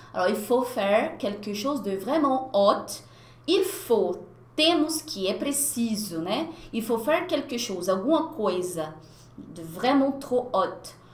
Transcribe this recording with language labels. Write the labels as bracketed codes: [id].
[fr] Alors, il faut faire quelque chose de vraiment hot. Il faut, [pt] temos que, é preciso, né? [fr] Il faut faire quelque chose, [pt] alguma coisa de [fr] vraiment trop hot.